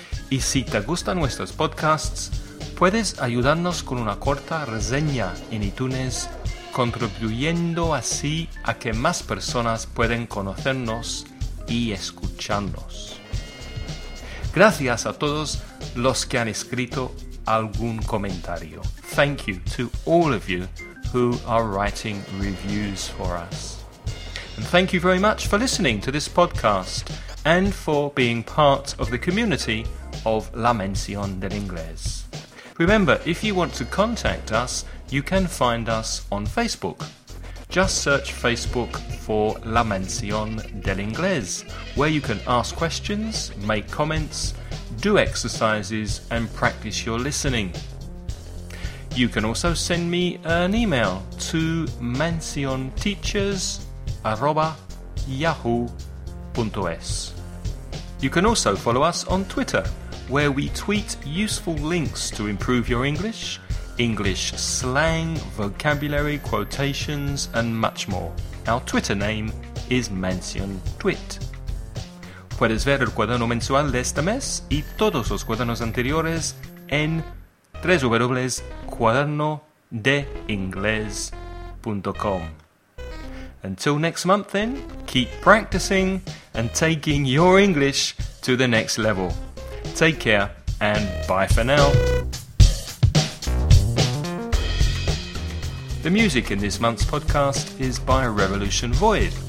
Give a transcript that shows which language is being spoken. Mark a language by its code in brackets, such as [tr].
[es] Y si te gustan nuestros podcasts, puedes ayudarnos con una corta reseña en iTunes, contribuyendo así a que más personas puedan conocernos y escucharnos. Gracias a todos los que han escrito algún comentario. [en] Thank you to all of you who are writing reviews for us. And thank you very much for listening to this podcast and for being part of the community of La Mención del Inglés. Remember, if you want to contact us, you can find us on Facebook. Just search Facebook for La Mención del Inglés, where you can ask questions, make comments, do exercises, and practice your listening. You can also send me an email to mencionteachers@yahoo.es. You can also follow us on Twitter, where we tweet useful links to improve your English, English slang, vocabulary, quotations, and much more. Our Twitter name is MencionTwit. [es] Puedes ver el cuaderno mensual de este mes y todos los cuadernos anteriores en www.cuadernodeingles.com. [en] Until next month then, keep practicing and taking your English to the next level. Take care and bye for now. The music in this month's podcast is by Revolution Void.